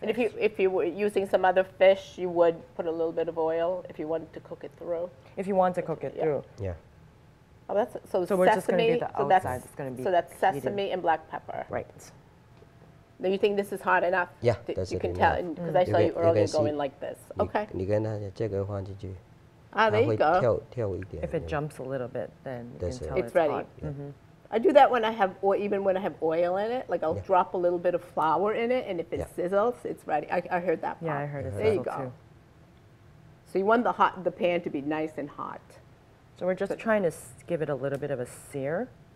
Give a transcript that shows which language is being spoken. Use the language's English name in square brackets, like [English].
[English] And if you were using some other fish, you would put a little bit of oil if you wanted to cook it through. If you want to cook it through. Oh, that's so. So we're just going to be the outside. So that's sesame and black pepper. Right. Now you think this is hot enough? Yeah, that's enough. You can tell because I saw you earlier going like this. Okay. [Chinese] You跟他这个放进去，它会跳跳一点。 [English] If it jumps a little bit, then you can tell it's ready. Hot. Yeah. Mm-hmm. I do that when I have, or even when I have oil in it. Like I'll drop a little bit of flour in it, and if it sizzles, it's ready. I heard that. Yeah, pop. I heard it. There you go. So you want the pan to be nice and hot. So we're just trying to give it a little bit of a sear.